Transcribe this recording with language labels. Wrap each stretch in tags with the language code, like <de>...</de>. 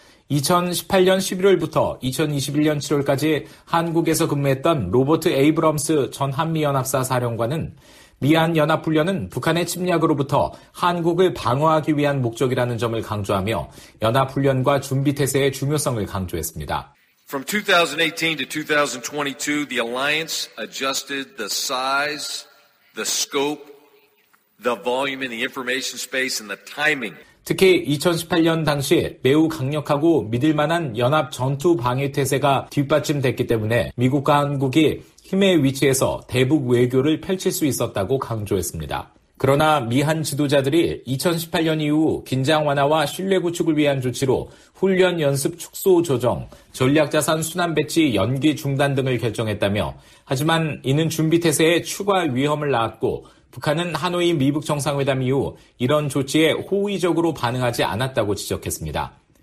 <ko>2018년 11월부터 2021년 7월까지 한국에서 근무했던 로버트 에이브럼스 전 한미연합사 사령관은 미한연합훈련은 북한의 침략으로부터 한국을 방어하기 위한 목적이라는 점을 강조하며 연합훈련과 준비태세의 중요성을 강조했습니다.</ko> <en>From 2018 to 2022, the alliance adjusted the size, the scope, the volume in the information space and the timing.</en> <ko>특히 2018년 당시 매우 강력하고 믿을 만한 연합 전투 방위 태세가 뒷받침됐기 때문에 미국과 한국이 힘의 위치에서 대북 외교를 펼칠 수 있었다고 강조했습니다. 그러나 미한 지도자들이 2018년 이후 긴장 완화와 신뢰 구축을 위한 조치로 훈련 연습 축소 조정, 전략 자산 순환 배치 연기 중단 등을 결정했다며 하지만 이는 준비 태세에 추가 위험을 낳았고 북한은 하노이 미북 정상회담 이후 이런 조치에 호의적으로 반응하지 않았다고 지적했습니다.</ko>